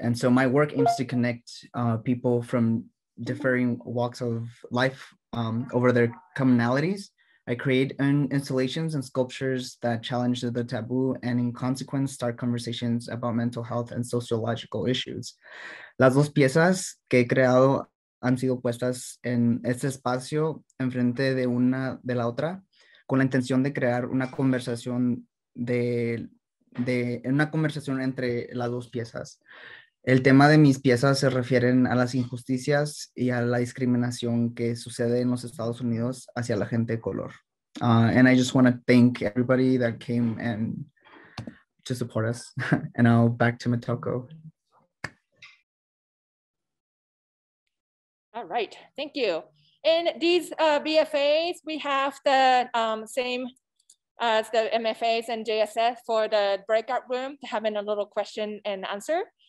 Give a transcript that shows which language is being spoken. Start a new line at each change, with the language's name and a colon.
English: And so my work aims to connect people from differing walks of life over their commonalities. I create installations and sculptures that challenge the taboo and in consequence start conversations about mental health and sociological issues.
Spanish: Las dos piezas que he creado han sido puestas en este espacio enfrente de una de la otra con la intención de crear una conversación una conversación entre las dos piezas. El tema de mis piezas se refieren a las injusticias y a la discriminación que sucede en los Estados Unidos hacia la gente de color.
English: And I just want to thank everybody that came and to support us. And now back to Matoko. All right, thank you. In these BFAs, we have the same as the MFAs and JSS for the breakout room, having a little question and answer.